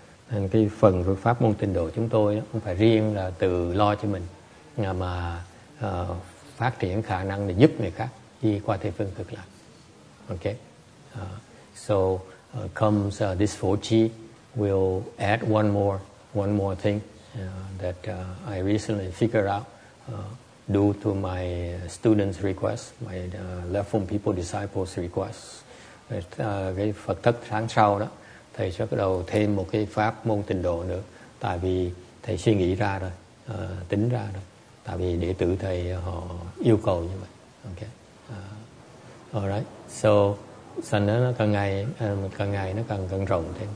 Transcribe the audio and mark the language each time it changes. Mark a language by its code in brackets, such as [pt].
[vi] Nên cái phần của pháp môn tịnh độ chúng tôi đó, không phải riêng là tự lo cho mình mà phát triển khả năng để giúp người khác đi qua thế phương cực lạc. [en] Okay. So comes this Phổ Chi will add one more thing that I recently figured out due to my students' request, my left home people disciples' request. [vi] Cái Phật thất tháng sau đó thầy sẽ bắt đầu thêm một cái pháp môn tịnh độ nữa, tại vì thầy suy nghĩ ra rồi, tính ra rồi, tại vì đệ tử thầy họ yêu cầu như vậy. Okay. Alright. So sân đó nó càng ngày nó càng rộng thêm.